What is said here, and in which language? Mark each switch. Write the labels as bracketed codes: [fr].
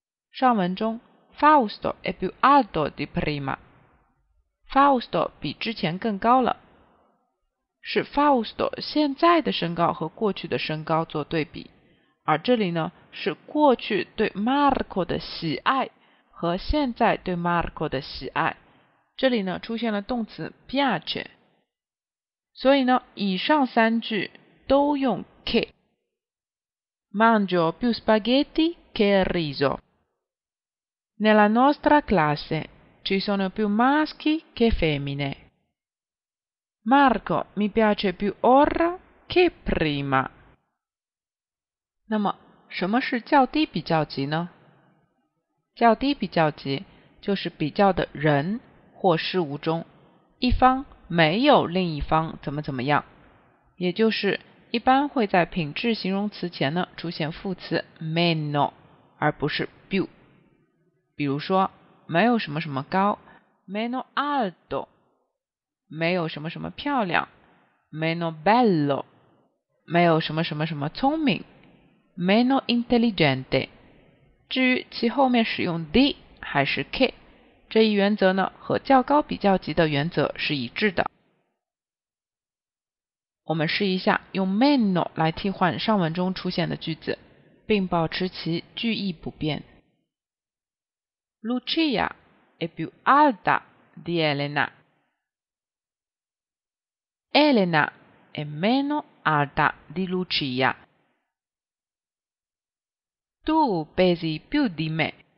[zh] 上文中 [it] Fausto è più alto di prima， [zh] Fausto 比之前更高了，是 Fausto 现在的身高和过去的身高做对比，而这里呢是过去对 Marco 的喜爱和现在对 Marco 的喜爱，这里呢出现了动词 piace， 所以呢以上三句都用 che， [it] Mangio più spaghetti che riso. Nella nostra classe ci sono più maschi che femmine. Marco mi piace più ora che prima. [zh] 那么什么是较低比较级呢？较低比较级就是比较的人或事物中，一方没有另一方怎么怎么样，也就是一般会在品质形容词前呢出现副词 meno 而不是 più。比如说，没有什么什么高 meno alto， 没有什么什么漂亮 meno bello， 没有什么什么什么聪明 meno intelligente。至于其后面使用 di 还是 che， 这一原则呢和较高比较级的原则是一致的。我们试一下用 meno 来替换上文中出现的句子，并保持其句意不变。 [it] Lucia è più alta di Elena. Elena è meno alta di Lucia. Tu pesi più di me.